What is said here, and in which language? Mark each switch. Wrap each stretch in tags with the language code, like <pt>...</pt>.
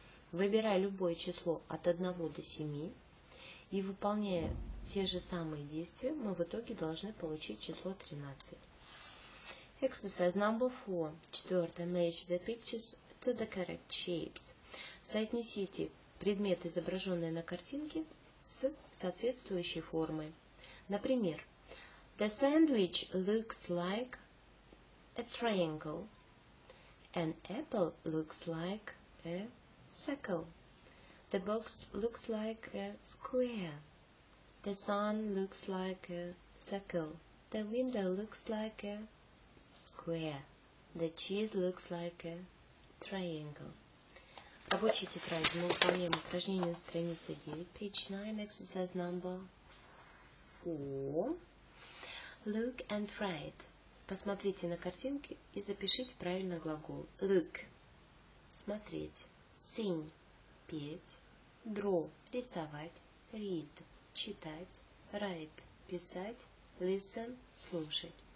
<ru>Выбирай любое число от 1 до 7. И выполняя те же самые действия, мы в итоге должны получить число 13.</ru> <en>Exercise number 4. 4. Match the pictures to the correct shapes.</en> <ru>Соотнесите предмет, изображенный на картинке, с соответствующей формой. Например,</ru> <en>the sandwich looks like a triangle. An apple looks like a circle. The box looks like a square. The sun looks like a circle. The window looks like a square. The cheese looks like a triangle.</en> <ru>Рабочие тетради. Мы выполняем упражнение на странице 9,</ru> <en>page 9, exercise number 4. Look and write.</en> <ru>Посмотрите на картинки и запишите правильно глагол.</ru> <en>Look. Смотреть. Sing. Петь. Draw. Рисовать. Read. Читать. Write. Писать. Listen. Слушать.</en>